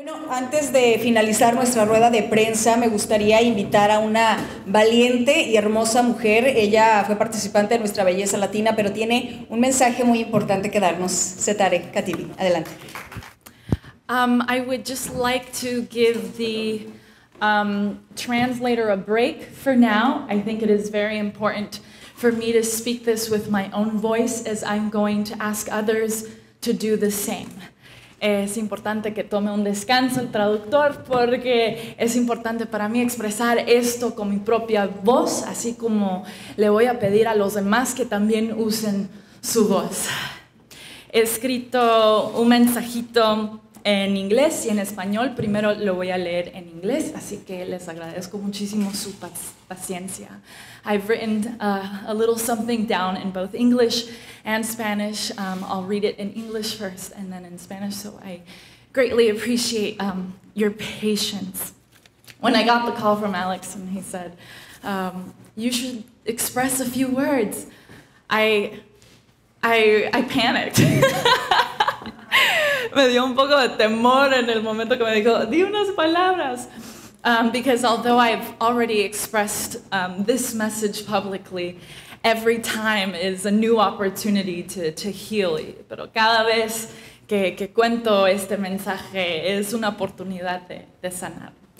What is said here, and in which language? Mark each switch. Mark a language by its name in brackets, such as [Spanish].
[Spanish] Antes de finalizar nuestra rueda de prensa, me gustaría invitar a una valiente y hermosa mujer. Ella fue participante de Nuestra Belleza Latina, pero tiene un mensaje muy importante que darnos. Setareh Kathibi, adelante. [English] I would just like to give the translator a break for now. I think it is very important for me to speak this with my own voice, as I'm going to ask others to do the same. [Spanish] Es importante que tome un descanso el traductor porque es importante para mí expresar esto con mi propia voz, así como le voy a pedir a los demás que también usen su voz. He escrito un mensajito en inglés y en español. Primero lo voy a leer en inglés, así que les agradezco muchísimo su paciencia. [English] I've written a little something down in both English and Spanish. I'll read it in English first and then in Spanish, so I greatly appreciate your patience. When I got the call from Alex and he said, you should express a few words, I panicked. [Spanish] Me dio un poco de temor en el momento que me dijo, di unas palabras. [English] Because although I've already expressed this message publicly, every time is a new opportunity to heal. [Spanish] Pero cada vez que cuento este mensaje es una oportunidad de sanar.